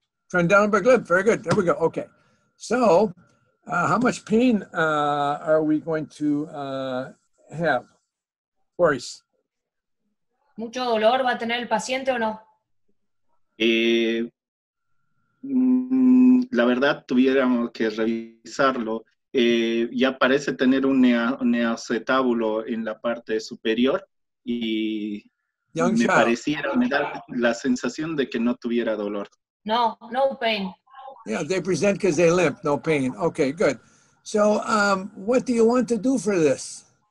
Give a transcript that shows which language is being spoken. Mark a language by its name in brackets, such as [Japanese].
[English] Tren de Lemburg limp, very good, there we go, okay. So, how much pain are we going to have? Boris. [Spanish] ¿Mucho dolor va a tener el paciente o no? La verdad, tuviéramos que revisarlo. Ya parece tener un neacetábulo en la parte superior y Young me pareciera, me da la sensación de que no tuviera dolor. [English] No, no pain. Yeah, they present because they limp, no pain. Okay, good. So, what do you want to do for this?